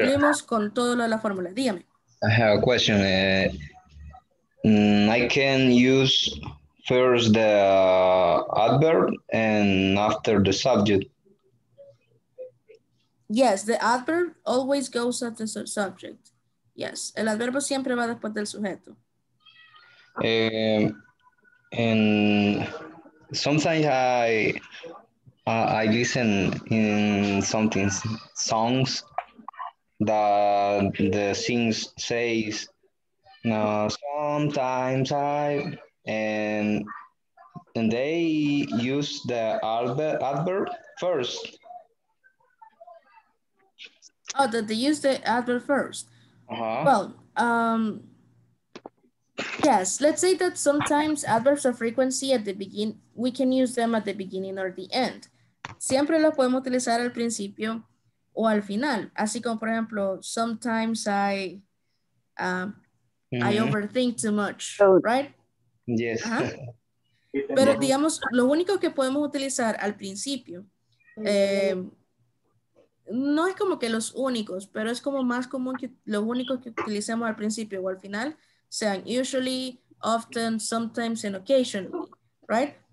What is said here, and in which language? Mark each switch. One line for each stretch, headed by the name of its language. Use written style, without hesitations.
Spanish: cumplimos con todo lo de la fórmula. Dígame.
English: I have a question. I can use first the adverb and after the subject. Yes, the adverb always goes at the subject.
Spanish: Yes, el adverbo siempre va después del sujeto.
English: And sometimes I listen in something, songs that the things says, no, sometimes I, and they use the adverb first. Oh, that they use the adverb first. Uh-huh. Well, yes, let's say that sometimes adverbs of frequency at the beginning, we can use them at the beginning or the end.
Spanish: Siempre lo podemos utilizar al principio o al final. Así como, por ejemplo,
English: sometimes I I overthink too much, right? Yes. Uh-huh.
Spanish: Pero digamos, lo único que podemos utilizar al principio, no es como que los únicos, pero es como más común que los únicos que utilicemos al principio o al final sean
English: usually, often, sometimes, and occasionally, right?